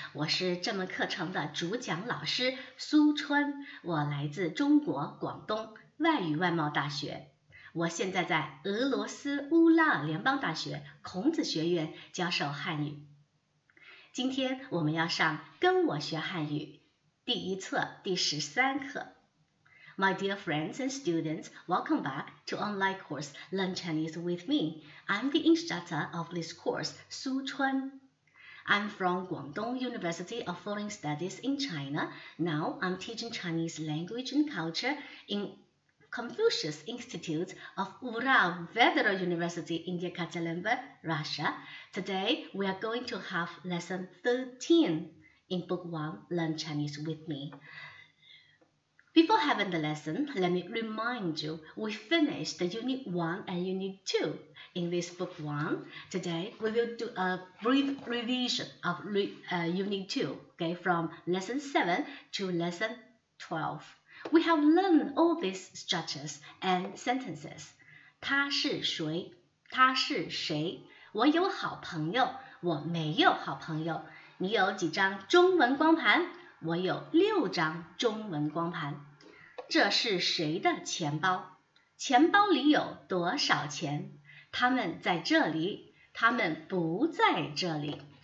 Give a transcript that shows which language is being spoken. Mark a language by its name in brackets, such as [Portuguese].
[Chinese] 我是这门课程的主讲老师苏春，我来自中国广东外语外贸大学。我现在在俄罗斯乌拉尔联邦大学孔子学院教授汉语。今天我们要上跟我学汉语第一册第13课。 [English] My dear friends and students, welcome back to online course Learn Chinese with me. I'm the instructor of this course, Su Chun. I'm from Guangdong University of Foreign Studies in China. Now I'm teaching Chinese language and culture in Confucius Institute of Ural Federal University in Yekaterinburg, Russia. Today we are going to have lesson 13 in book 1, Learn Chinese with me. Before having the lesson, let me remind you, we finished the Unit 1 and Unit 2 in this Book 1. Today, we will do a brief revision of Unit 2, okay, from Lesson 7 to Lesson 12. We have learned all these structures and sentences. [Chinese] 他是谁?他是谁? 我有好朋友,我没有好朋友。你有几张中文光盘?我有六张中文光盘。这是谁的钱包？钱包里有多少钱？他们在这里，他们不在这里。